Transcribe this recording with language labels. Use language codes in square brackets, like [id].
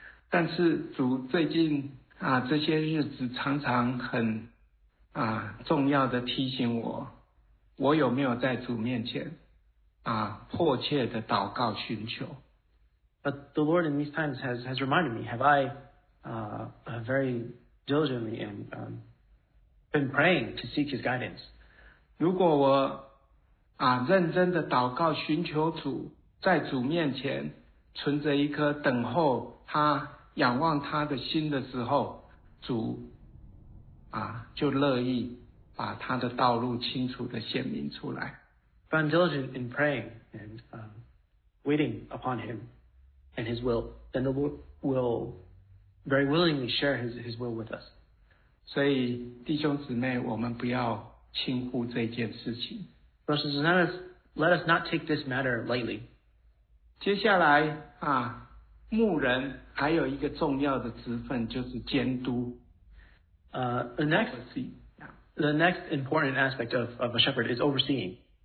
[zh] 但是主最近啊这些日子常常很啊重要的提醒我，我有没有在主面前啊迫切的祷告寻求。 [en] But the Lord in these times has reminded me, have I very diligently and been praying to seek His guidance? [zh] 如果我啊，认真的祷告，寻求主，在主面前存着一颗等候他、仰望他的心的时候，主啊，就乐意把他的道路清楚的显明出来。 [en] If I'm diligent in praying and waiting upon Him and His will, then the Lord will very willingly share His will with us. [zh] 所以弟兄姊妹，我们不要轻忽这件事情。 [en] Brothers and sisters, let us not take this matter lightly. [zh] 接下来啊，牧人还有一个重要的职分就是监督。 [en] The next important aspect of a shepherd is overseeing.